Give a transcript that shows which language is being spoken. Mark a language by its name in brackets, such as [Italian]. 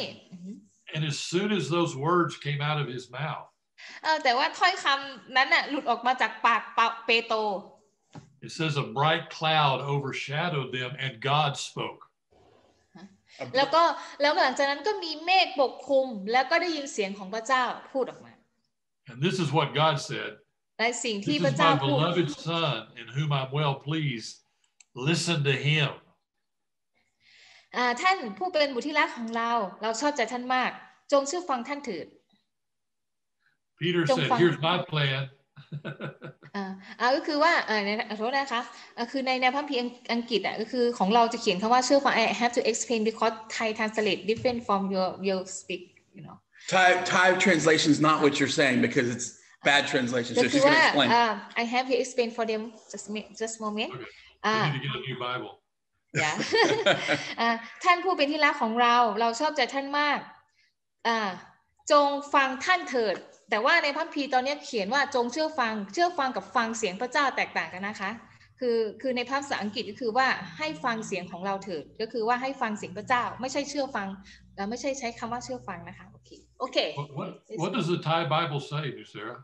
[English] And as soon as those words came out of his mouth. [Thai] แต่ว่าถ้อยคํานั้นน่ะหลุดออกมาจากปากเปโตร [English] It says a bright cloud overshadowed them and God spoke. [Thai] แล้วก็หลังจากนั้นก็มีเมฆปกคลุมแล้วก็ได้ยินเสียงของพระเจ้าพูดออกมา [English] And this is what God said. This is my beloved son in whom I'm well pleased. Listen to him. [Thai] ท่านผู้เป็นบุตรที่รักของเราเราชอบใจท่านมากจงเชื่อฟังท่านเถิด [English] Peter said, here's my plan. [Thai] ก็คือว่าในโทษนะคะคือในแนวพระพีอังกฤษอ่ะก็คือของเราจะเขียนคำว่าเชื่อฟัง [English] I have to explain because Thai translate different from your speak, you know. Thai translation is not what you're saying because it's bad translation. So she's going to explain. I have to explain for them just a moment. Okay. We need to get a new Bible. Yeah. [Thai] ท่านผู้เป็นที่รักของเราเราชอบใจท่านมากจงฟังท่านเถิดแต่ว่าในพระคัมภีร์ตอนนี้เขียนว่าจงเชื่อฟังกับฟังเสียงพระเจ้าแตกต่างกันนะคะคือในภาษาอังกฤษก็คือว่าให้ฟังเสียงของเราเถิดก็คือว่าให้ฟังเสียงพระเจ้าไม่ใช่เชื่อฟังและไม่ใช่ใช้คำว่าเชื่อฟังนะคะโอเคOkay. [English] What does the Thai Bible say, Nusara?